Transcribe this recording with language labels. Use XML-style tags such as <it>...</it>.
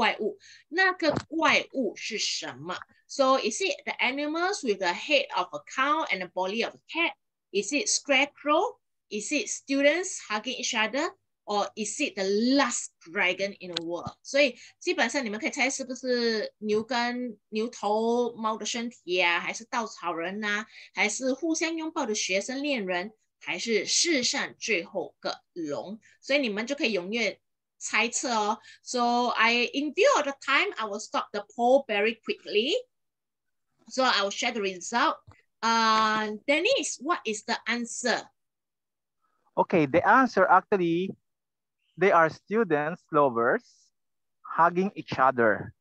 <zh>所以基本上都是传说说在完成的那个城墙顶上，夕阳西下的时候会出现一个身体以及两个脑袋瓜的这个怪物。那个怪物是什么？</zh> <en>So is it the animals with the head of a cow and the body of a cat? Is it scarecrow? Is it students hugging each other? Or is it the last dragon in the world?</en> <zh>所以基本上你们可以猜是不是牛跟牛头猫的身体啊，还是稻草人啊，还是互相拥抱的学生恋人，还是世上最后个龙？所以你们就可以踊跃猜测哦。</zh> <en>So I, in view of the time, I will stop the poll very quickly. So I will share the result. Dennis, what is the answer? Okay, the answer actually, they are students, lovers, hugging each other.</en>